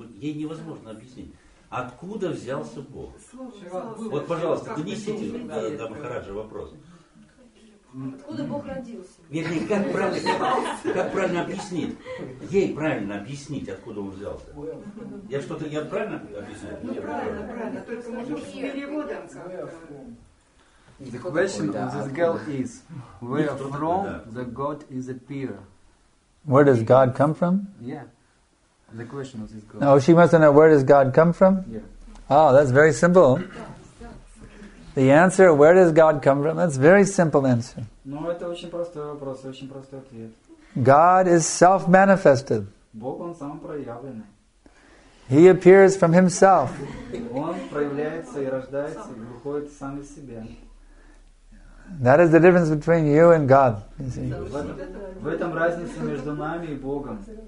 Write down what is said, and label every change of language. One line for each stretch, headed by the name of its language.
Russian: Ей невозможно объяснить. Откуда взялся Бог? Вот, пожалуйста, донесите до Махараджа вопрос. Откуда Бог родился? Вернее, как правильно объяснить? Ей правильно объяснить, откуда он взялся. Я правильно объясняю? Ну, правильно. Только может с переводом.
English: The question of this girl is, where from the God is appear? Where does God come from? Yeah. The question of this girl. Oh, she must know where does God come from? Yeah. Oh, that's very simple. The answer, where does God come from? That's a very simple answer.
Russian: Ну, это очень простой вопрос, очень простой ответ.
English: God is self-manifested.
Russian: Бог, он сам проявленный.
English: He appears from himself.
Russian: Он проявляется и рождается, и выходит сам из себя.
English: That is the difference between you and God.
Russian: В этом разница между нами и Богом.